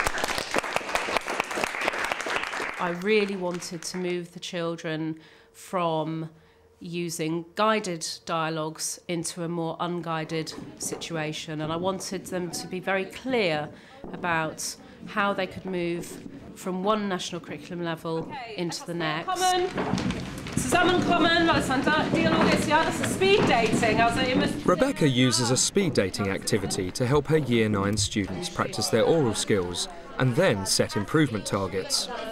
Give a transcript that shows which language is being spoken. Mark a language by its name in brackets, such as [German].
[English] I really wanted to move the children from using guided dialogues into a more unguided situation. And I wanted them to be very clear about how they could move from one national curriculum level into the next. [German] Zusammenkommen, zusammenkommen, weil es ein Dialog ist, ja, das ist speed dating. [English] Rebecca uses a speed dating activity to help her year 9 students practice their oral skills and then set improvement targets.